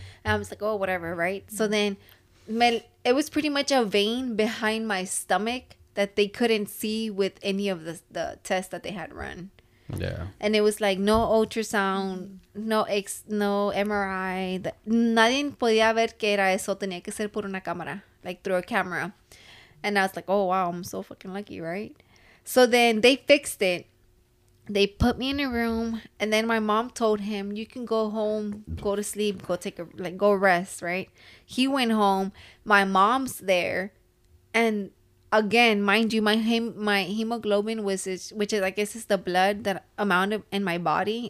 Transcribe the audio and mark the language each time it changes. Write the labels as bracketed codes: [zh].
[en] And I was like, oh, whatever, right? So then it was pretty much a vein behind my stomach that they couldn't see with any of the tests that they had run. Yeah. And it was like no ultrasound, no MRI. [es] Nadie podía ver que era eso. Tenía que ser por una cámara, [en] like through a camera. And I was like, oh, wow, I'm so fucking lucky, right? So then they fixed it. They put me in a room. And then my mom told him, you can go home, go to sleep, go take a, like, go rest, right? He went home. My mom's there. And again, mind you, my hemoglobin, which is, I guess, is the blood that amount of in my body.